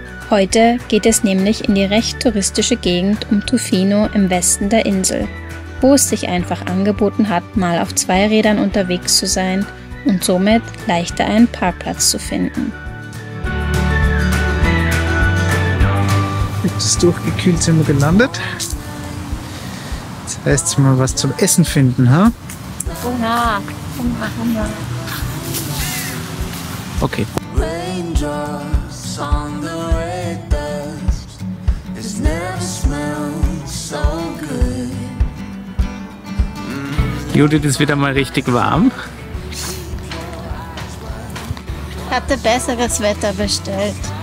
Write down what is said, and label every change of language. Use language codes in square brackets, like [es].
[de] Heute geht es nämlich in die recht touristische Gegend um Tofino im Westen der Insel, wo es sich einfach angeboten hat, mal auf zwei Rädern unterwegs zu sein und somit leichter einen Parkplatz zu finden. Jetzt ist durchgekühlt, sind wir gelandet. Jetzt heißt es mal was zum Essen finden, ha? Oha, komm, machen wir. Okay. [en] Raindrops on the red dust has never smelled so good. [de] Judith ist wieder mal richtig warm. Ich hatte besseres Wetter bestellt.